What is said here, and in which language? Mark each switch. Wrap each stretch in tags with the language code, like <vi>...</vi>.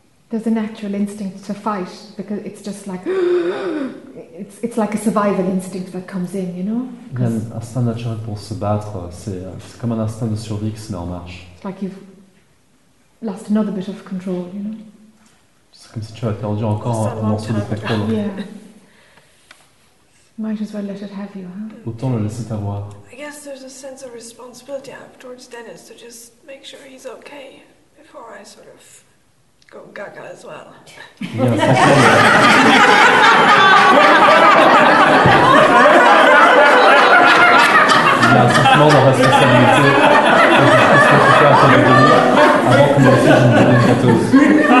<en>There's a natural instinct to fight, because it's just like... It's like a survival instinct that comes in, you know?</en> <fr>Il y a un instinct naturel pour se battre, c'est comme un instinct de survie qui se met en marche.</fr> <en>It's like you've lost another bit of control, you know?</en> <fr>Comme si tu avais perdu encore un morceau de pétrole.</fr> <en>Yeah. Might as well let it have you, huh?</en> <fr>Autant le laisser t'avoir.</fr> <en>I guess there's a sense of responsibility I have towards Dennis to just make sure he's okay before I sort of go gaga as well.</en> <fr>Il y a un sentiment de responsabilité.</fr>